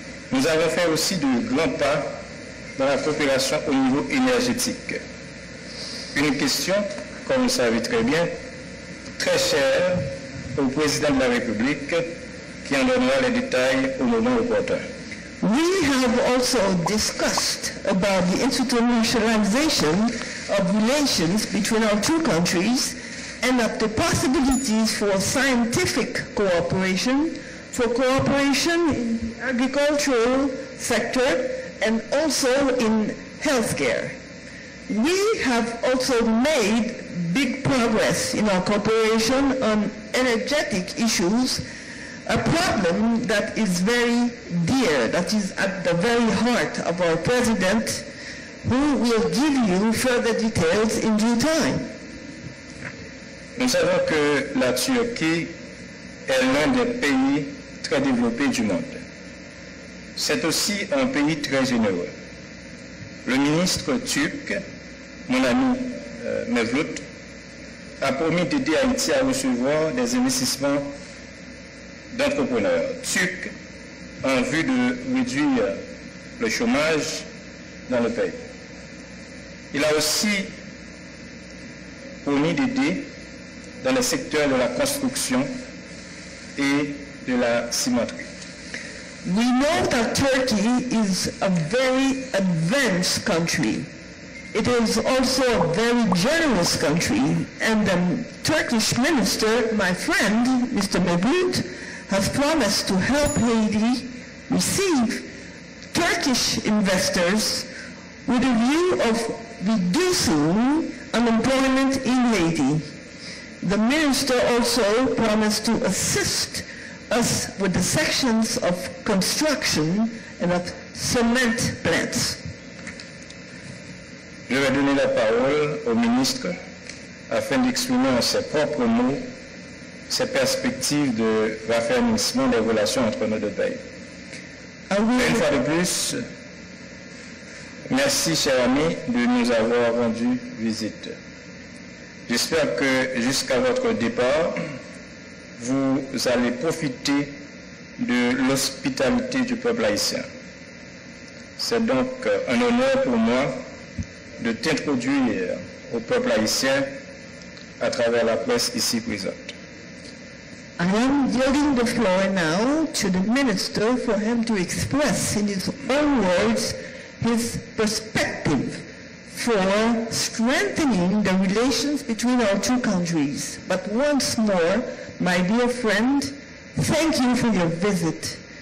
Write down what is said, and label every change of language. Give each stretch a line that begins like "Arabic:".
French: Nous avons fait aussi de grands pas dans la coopération au niveau énergétique. Une question, comme vous savez très bien, très chère au président de la République qui en donnera les détails au moment opportun.
English: We have also discussed about the institutionalization of relations between our two countries and of the possibilities for scientific cooperation, for cooperation in the agricultural sector and also in healthcare. We have also made big progress in our cooperation on energetic issues, a problem that is very dear, that is at the very heart of our president, who will give you further details in due time.
French: Nous savons que la Turquie est l'un des pays très développés du monde. C'est aussi un pays très généreux. Le ministre turc, mon ami Mevlut, a promis d'aider Haïti à recevoir des investissements d'entrepreneurs turcs en vue de réduire le chômage dans le pays. Il a aussi promis d'aider dans le secteur de la construction et de la cimenterie.
English: We know that Turkey is a very advanced country. It is also a very generous country, and the Turkish minister, my friend, Mr. Mevlut, has promised to help Haiti receive Turkish investors with a view of reducing unemployment in Haiti. The minister also promised to assist us with the sections of construction and of cement plants.
French: Je vais donner la parole au ministre afin d'exprimer en ses propres mots ses perspectives de raffermissement des relations entre nos deux pays. Une fois de plus, merci, cher ami, de nous avoir rendu visite. J'espère que jusqu'à votre départ, vous allez profiter de l'hospitalité du peuple haïtien. C'est donc un honneur pour moi de t'introduire au peuple haïtien à travers la presse ici présente.
English: I am yielding the floor now to the minister for him to express in his own words his perspective for strengthening the relations between our two countries. But once more, my dear friend, thank you for your visit.